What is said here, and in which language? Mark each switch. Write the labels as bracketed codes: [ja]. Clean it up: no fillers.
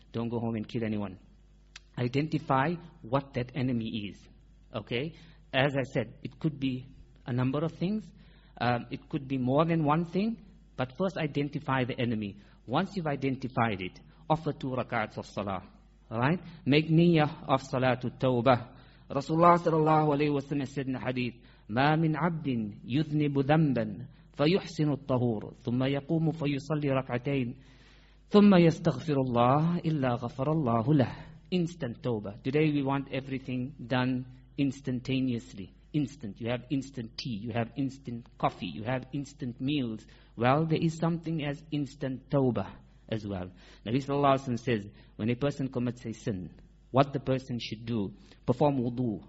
[en] Don't go home and kill anyone. Identify what that enemy is. Okay? As I said, it could be a number of things. It could be more than one thing. But first, identify the enemy. Once you've identified it, offer 2 rak'ats of salah. Right? Make niyyah of salatu tawbah. Rasulullah sallallahu alayhi wa sallam said in the hadith, [ar] ما من عبد يذنب ذنبا فيحسن الطهور ثم يقوم فيصلي ركعتين ثم يستغفر الله إلا غفر الله له. [en] Instant tawbah. Today we want everything done instantaneously. Instant. You have instant tea. You have instant coffee. You have instant meals. Well, there is something as instant tawbah as well. Nabi sallallahu alayhi wa sallam says, when a person commits a sin, what the person should do, perform wudu.